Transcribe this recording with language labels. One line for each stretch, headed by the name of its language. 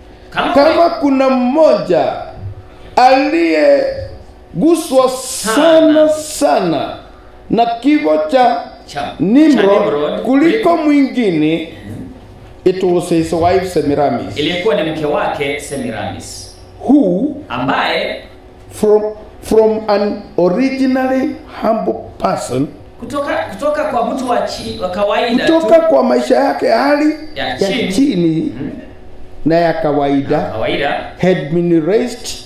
Swahili: Kama kuna mmoja aliyeguswa sana na kifo cha Nimrod kuliko mwingine,
English: it was his wife Semiramis.
Swahili: Ilikuwa ni mke wake Semiramis.
English: who
Swahili: ambaye
English: from an originally humble person
Swahili: kutoka kwa mtu wa chini wa kawaida kutoka kwa maisha yake hali ya chini na ya kawaida
English: had been raised